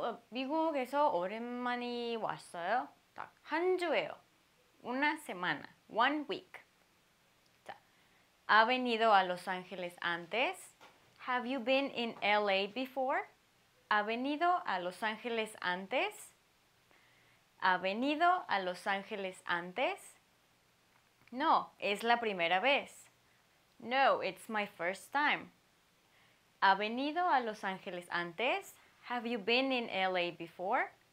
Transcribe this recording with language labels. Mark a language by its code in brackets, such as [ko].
[ko] 미국에서 오랜만에 왔어요. 딱한 주예요. [es] Una semana. [en] One week. [es] 자, ¿ha venido a Los Ángeles antes? [en] Have you been in LA before? [es] ¿Ha venido a Los Ángeles antes? ¿Ha venido a Los Ángeles antes? No, es la primera vez. [en] No, it's my first time. [es] ¿Ha venido a Los Ángeles antes? [en] Have you been in LA before?